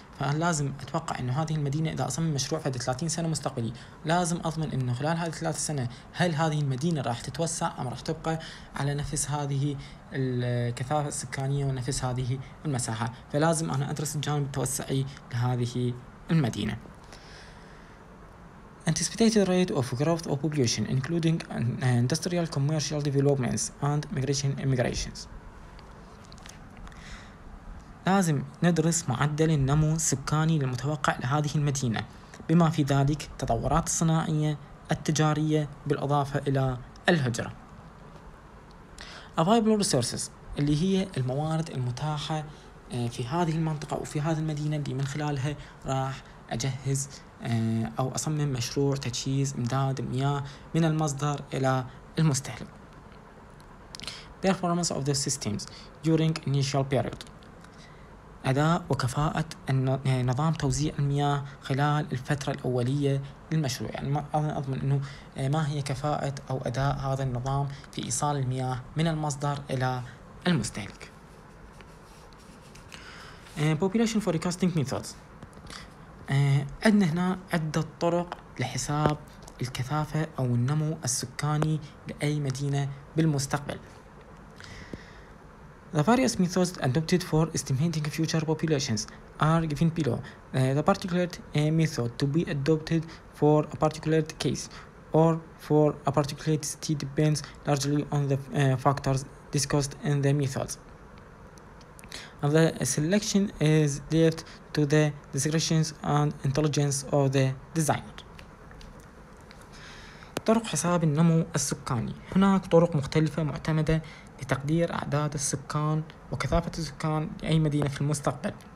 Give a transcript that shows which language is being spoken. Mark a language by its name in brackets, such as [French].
[Arabic] فلازم اتوقع انه هذه المدينه اذا اصمم مشروع في 30 سنه مستقبلي لازم اضمن انه خلال هذه الثلاث سنه هل هذه المدينه راح تتوسع ام راح تبقى على نفس هذه الكثافه السكانيه ونفس هذه المساحه. فلازم انا ادرس الجانب التوسعي لهذه المدينه. [English] Anticipated rate of growth of population including industrial commercial developments and migration immigrations. [Arabic] لازم ندرس معدل النمو السكاني المتوقع لهذه المدينة بما في ذلك التطورات الصناعية التجارية بالإضافة إلى الهجرة. [English] Available resources [Arabic] اللي هي الموارد المتاحة في هذه المنطقة وفي هذه المدينة اللي من خلالها راح أجهز أو أصمم مشروع تجهيز إمداد المياه من المصدر إلى المستهلك. [English] Performance of the systems during initial period [Arabic] أداء وكفاءة نظام توزيع المياه خلال الفترة الأولية للمشروع. يعني أضمن أنه ما هي كفاءة أو أداء هذا النظام في إيصال المياه من المصدر إلى المستهلك. [English] Population forecasting methods [Arabic] عندنا هنا عدة طرق لحساب الكثافة أو النمو السكاني لأي مدينة بالمستقبل. [English] The various methods adopted for estimating future populations are given below. The particular method to be adopted for a particular case or for a particular city depends largely on the factors discussed in the methods. And the selection is left to the discretion and intelligence of the designer. [Arabic] طرق حساب النمو السكاني. هناك طرق مختلفة معتمدة لتقدير أعداد السكان وكثافة السكان لأي مدينة في المستقبل.